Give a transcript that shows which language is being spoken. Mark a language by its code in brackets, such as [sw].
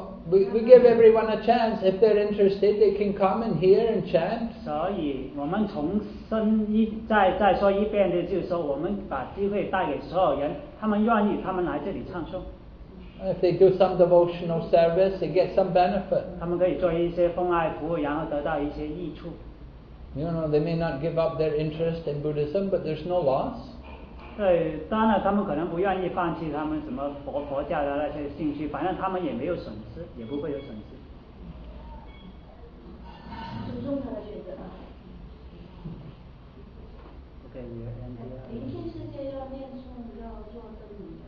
[en] We give everyone a chance. If they're interested, they can come and hear and chant. [zh] 所以我们重申再说一遍的，就是说我们把机会带给所有人，他们愿意，他们来这里唱诵。 [en] If they do some devotional service, they get some benefit. [zh] 他们可以做一些奉爱服务，然后得到一些益处。 [en] You know, they may not give up their interest in Buddhism, but there's no loss. [zh] 对，当然他们可能不愿意放弃他们什么佛教的那些兴趣，反正他们也没有损失，也不会有损失。尊重他的选择吧。不给别人。明天世界要念诵，要做灯谜。